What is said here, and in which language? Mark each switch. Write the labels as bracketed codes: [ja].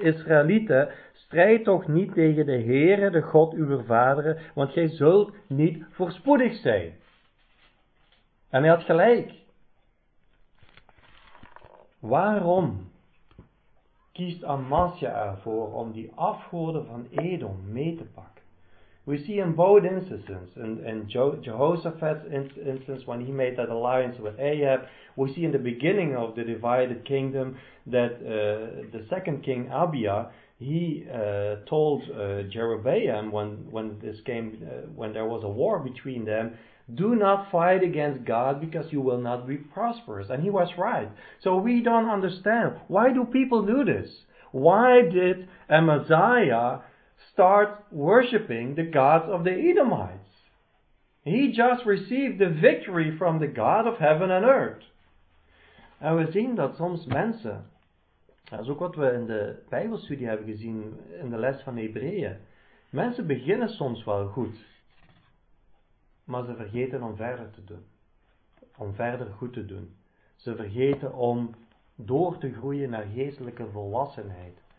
[nl] Israëlieten, strijd toch niet tegen de Heere, de God uw vaderen, want gij zult niet voorspoedig zijn. En hij had gelijk. Waarom kiest Amasja ervoor om die afgoden van Edom mee te pakken? [en] We see in both instances, in Jehoshaphat's instance, when he made that alliance with Ahab, we see in the beginning of the divided kingdom that the second king Abia, he told Jeroboam when there was a war between them, do not fight against God because you will not be prosperous. And he was right. So we don't understand. Why do people do this? Why did Amaziah start worshiping the gods of the Edomites? He just received the victory from the God of heaven and earth. [nl] En we zien dat soms mensen, dat is ook wat we in de Bijbelstudie hebben gezien in de les van Hebreeën. Mensen beginnen soms wel goed, maar ze vergeten om verder te doen. Om verder goed te doen. Ze vergeten om door te groeien naar geestelijke volwassenheid.